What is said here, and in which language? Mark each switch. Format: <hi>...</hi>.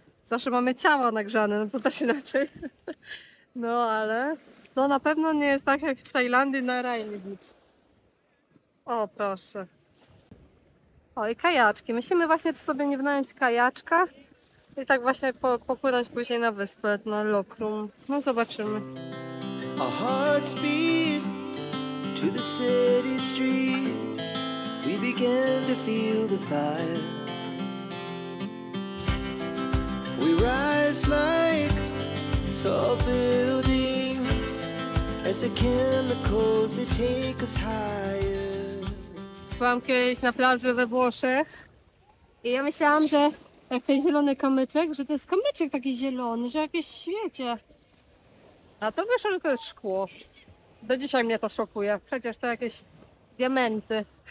<pl>Zawsze mamy ciała nagrzane, no to też inaczej. No ale no na pewno nie jest tak, jak w Tajlandii na Rainy Beach. O, proszę. O, i kajaczki. Myślimy właśnie, czy sobie nie wynająć kajaczka. I tak właśnie popłynąć później na wyspę, na lokrum. No zobaczymy.</pl> <en>Our hearts beat to the city streets. We began to feel the fire. We rise like tall buildings as the chemicals they take us higher.</en> <pl>Byłam kiedyś na plaży we Włoszech i ja myślałam, że jak ten zielony kamyczek, że to jest kamyczek taki zielony, że jakieś świecie. A to wyszło, że to jest szkło. Do dzisiaj mnie to szokuje. Przecież to jakieś diamenty.</pl>